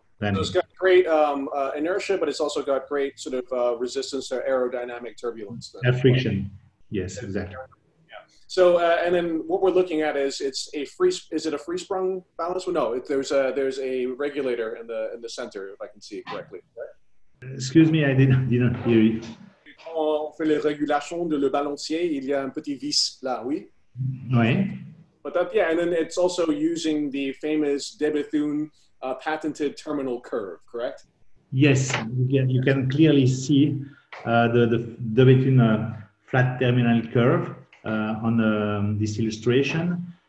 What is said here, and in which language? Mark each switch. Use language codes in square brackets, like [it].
[en] So it's got great inertia, but it's also got great sort of resistance to aerodynamic turbulence. Air friction. Yes, exactly. Yeah. So, and then what we're looking at is it a free sprung balance? Well, no, there's a regulator in the center, if I can see it correctly. Right? Excuse me, I didn't hear it. [fr] Quand on fait les régulations de le balancier, il y a un petit vis là, oui? Oui. [en] But that, yeah, and then it's also using the famous DeBethune patented terminal curve, correct? Yes, you can clearly see the DeBethune flat terminal curve on this illustration.